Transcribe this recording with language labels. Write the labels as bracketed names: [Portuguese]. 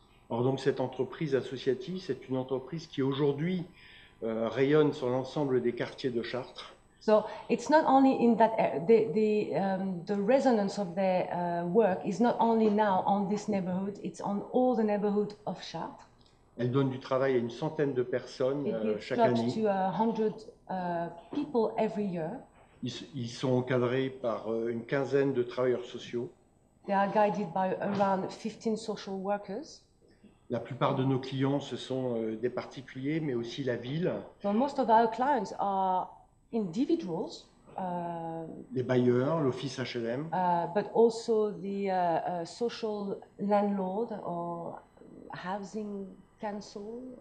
[French] Alors donc cette entreprise associative, c'est une entreprise qui aujourd'hui rayonne sur l'ensemble des quartiers de Chartres. [English] So it's not only in that the resonance of their work is not only now on this neighborhood, it's on all the neighborhood of Chartres. [French] Elle donne du travail à une centaine de personnes chaque année. [English] To 100 people every year. [French] Ils sont encadrés par une quinzaine de travailleurs sociaux. [English] They are guided by around 15 social workers. [French] La plupart de nos clients, ce sont des particuliers, mais aussi la ville. [English] So most of our clients are individuals. [French] Les bailleurs, l'office HLM. [English] But also the social landlord or housing council.